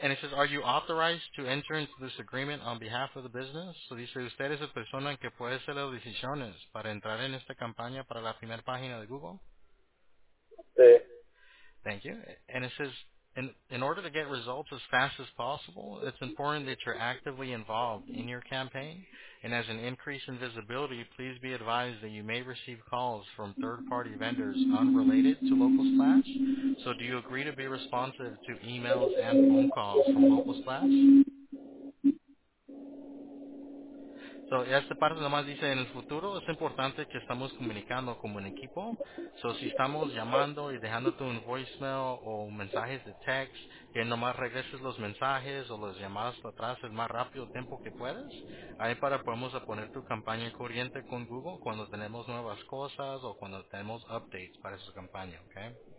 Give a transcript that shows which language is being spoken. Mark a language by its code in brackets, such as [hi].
[en] And it says, are you authorized to enter into this agreement on behalf of the business? [es] So dice, usted es la persona que puede hacer las decisiones para entrar en esta campaña para la primera página de Google? Sí. [en] Thank you. And it says, in order to get results as fast as possible, it's important that you're actively involved in your campaign. And as an increase in visibility, please be advised that you may receive calls from third-party vendors unrelated to Local Splash. So do you agree to be responsive to emails and phone calls from Local Splash? [es] So, esta parte nomás dice, en el futuro es importante que estamos comunicando como un equipo. So, si estamos llamando y dejándote un voicemail o mensajes de text, que nomás regreses los mensajes o las llamadas para atrás el más rápido tiempo que puedes, ahí para podemos poner tu campaña en corriente con Google cuando tenemos nuevas cosas o cuando tenemos updates para esa campaña, ¿ok?